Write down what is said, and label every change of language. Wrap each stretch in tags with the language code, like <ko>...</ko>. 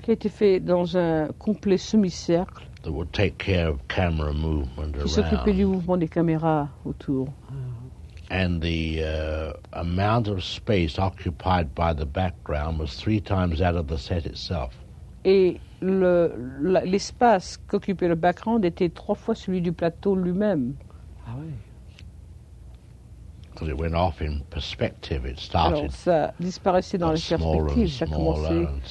<fr>Qui a été fait dans un complet semi-cercle.</fr> <en>That would take care of camera movement around.</en> <fr>Qui s'occupait du mouvement des caméras autour.</fr> <en>And the amount of space occupied by the background was three times that of the set itself.</en> <fr>Et l'espace qu'occupait le background était trois fois celui du plateau lui-même. Ah oui.</fr> <en>Because it went off in perspective, it started.</en> <fr>Alors ça disparaissait dans la perspective, ça commençait</fr>